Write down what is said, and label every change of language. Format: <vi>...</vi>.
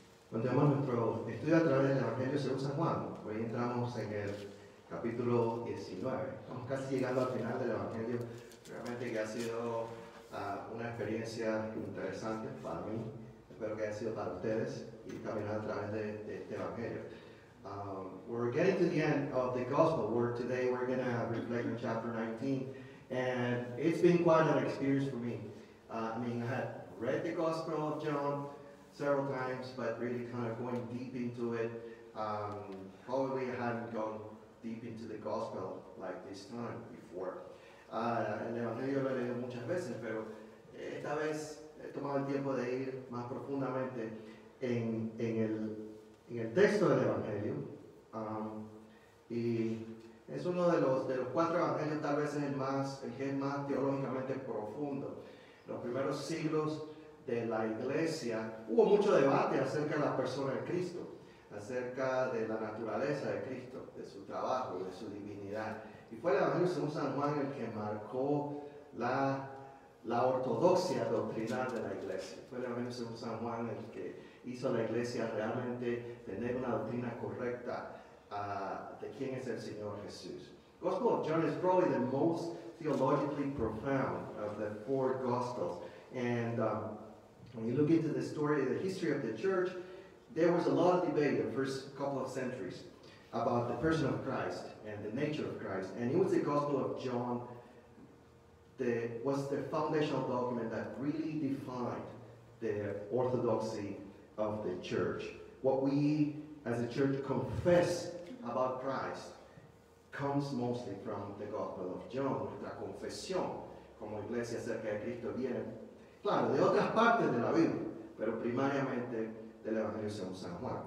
<es>Continuamos nuestro estudio a través del Evangelio según San Juan. Hoy entramos en el capítulo 19. Estamos casi llegando al final del Evangelio. Realmente que ha sido una experiencia interesante para mí. Espero que haya sido para ustedes y caminar a través de este Evangelio.</es> <en>We're getting to the end of the Gospel. Today we're going to reflect on chapter 19. And it's been quite an experience for me. I had read the Gospel of John several times, but really kind of going deep into it. Probably I haven't gone deep into the Gospel like this time before.</en> <es>El Evangelio lo he leído muchas veces, pero esta vez he tomado el tiempo de ir más profundamente en el texto del Evangelio. Y es uno de los cuatro Evangelios, tal vez el que es más teológicamente profundo. Los primeros siglos de la iglesia, hubo mucho debate acerca de la persona de Cristo, acerca de la naturaleza de Cristo, de su trabajo, de su divinidad. Y fue el Evangelio según San Juan el que marcó la ortodoxia doctrinal de la iglesia. Fue el Evangelio según San Juan el que hizo a la iglesia realmente tener una doctrina correcta de quién es el Señor Jesús.</es> <en>The Gospel of John is probably the most theologically profound of the four Gospels. When you look into the story, the history of the church, there was a lot of debate in the first couple of centuries about the person of Christ and the nature of Christ. And it was the Gospel of John that was the foundational document that really defined the orthodoxy of the church. What we as a church confess about Christ comes mostly from the Gospel of John.</en> <es>Nuestra confesión como iglesia acerca de Cristo viene, claro, de otras partes de la Biblia, pero primariamente del Evangelio según San Juan.</es>